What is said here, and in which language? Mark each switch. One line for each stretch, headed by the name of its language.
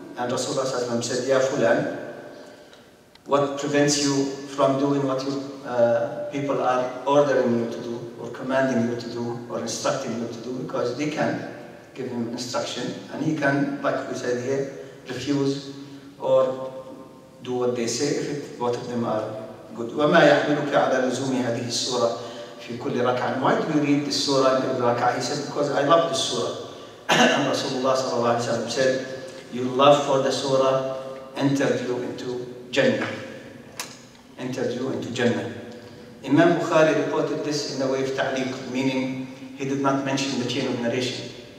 English: And Rasulullah ﷺ said, Ya Fulan, what prevents you from doing what you, people are ordering you to do, or commanding you to do, or instructing you to do? Because they can give him instruction, and he can, like we said here, refuse or do what they say if it, both of them are.
Arabic: وما يحملك على لزوم هذه السورة في كل ركعة.
English: Why do you read this surah in every rak'ah? He said, because I love this surah. And Rasulullah صلى الله عليه وسلم said, your love for the surah entered you into Jannah. Entered you into Jannah. Imam Bukhari reported this in the way of ta'liq, meaning he did not mention the chain of narration.